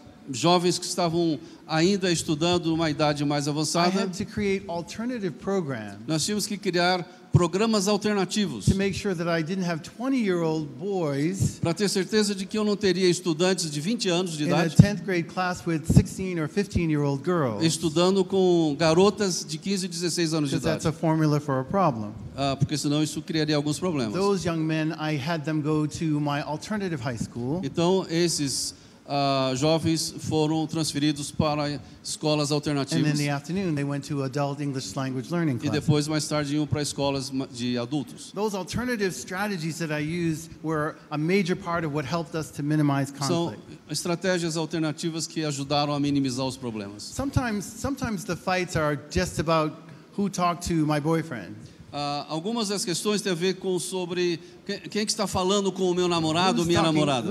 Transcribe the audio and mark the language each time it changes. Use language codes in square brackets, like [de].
[pt] Jovens que estavam ainda estudando numa idade mais avançada. Nós tínhamos que criar programas alternativos para ter certeza de que eu não teria estudantes de 20 anos de idade [en] 10th grade class with 16 or 15 year old girls, [pt] estudando com garotas de 15 e 16 anos de idade. [en] That's a formula for a problem. [pt] Porque senão isso criaria alguns problemas. [en] Those young men, I had them go to my alternative high school. [pt] Então, esses jovens foram transferidos para escolas alternativas. E depois, mais tarde, iam para escolas de adultos. [en] Those alternative strategies that I used were a major part of what helped us to minimize conflict. [pt] São estratégias alternativas que ajudaram a minimizar os problemas. [en] Sometimes the fights are just about who talked to my boyfriend. [pt] Algumas das questões têm a ver com sobre quem que está falando com o meu namorado ou minha namorada.